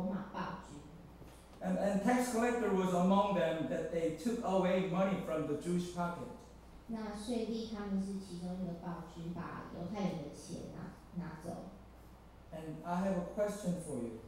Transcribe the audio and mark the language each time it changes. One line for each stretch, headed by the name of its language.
Chinese: 犹太人那时候，他们会有很多罗马暴君。And
English: tax collector was among them that they took away money from the Jewish pocket.
Chinese: 那税吏他们是其中一个暴君，把犹太人的钱拿走。
English: And I have a question for you.